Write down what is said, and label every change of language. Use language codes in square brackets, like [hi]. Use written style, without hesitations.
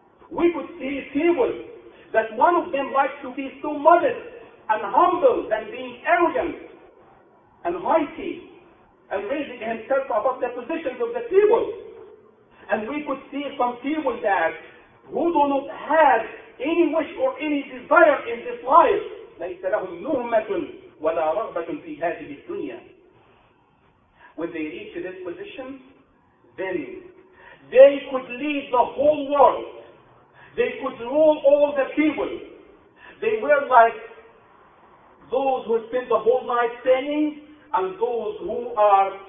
[en] We could see people that one of them likes to be so modest and humble than being arrogant and haughty and raising himself above the positions of the people. And we could see some people that who do not have any wish or any desire in this life. [ar] ليس لهم نهمة ولا رغبة في هذه الدنيا. [en] When they reach this position, then they could lead the whole world. They could rule all the people. They were like those who spend the whole night singing and those who are